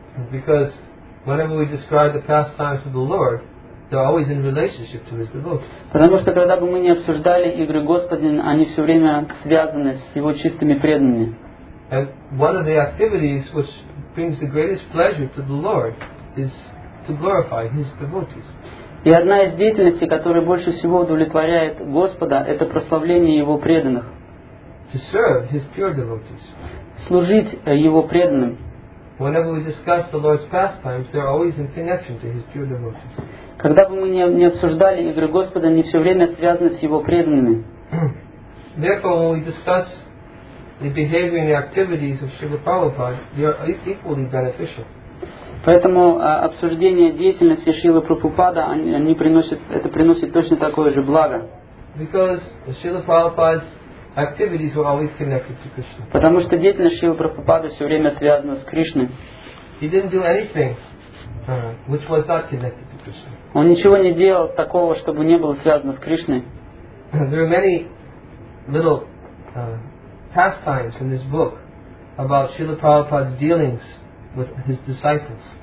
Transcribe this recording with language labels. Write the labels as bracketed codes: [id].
[en] Because whenever we describe the pastimes of the Lord, they're always in relationship to his devotees. [ru] Потому что когда бы мы не обсуждали игры Господня, они все время связаны с его чистыми преданными. [en] And one of the activities which brings the greatest pleasure to the Lord is to glorify His devotees. [ru] И одна из деятельностей, которая больше всего удовлетворяет Господа, это прославление Его преданных. [en] To serve His pure devotees. [ru] Служить Его преданным. [en] Whenever we discuss the Lord's pastimes, they're always in connection to His pure devotees. [ru] Когда бы мы не обсуждали игры Господа, они все время связаны с Его преданными. [en] Therefore, when we discuss the behavior and the activities of Srila Prabhupada, they are equally beneficial. [ru] Поэтому обсуждение деятельности Шрилы Прабхупады приносит точно такое же благо. [en] Because Srila Prabhupada's activities were always connected to Krishna. [ru] Потому что деятельность Шрилы Прабхупады все время связана с Кришной. [en] He didn't do anything which was not connected to Krishna. [ru] Он ничего не делал такого, чтобы не было связано с Кришной. [en] There are many little pastimes in this book about Srila Prabhupada's dealings with his disciples.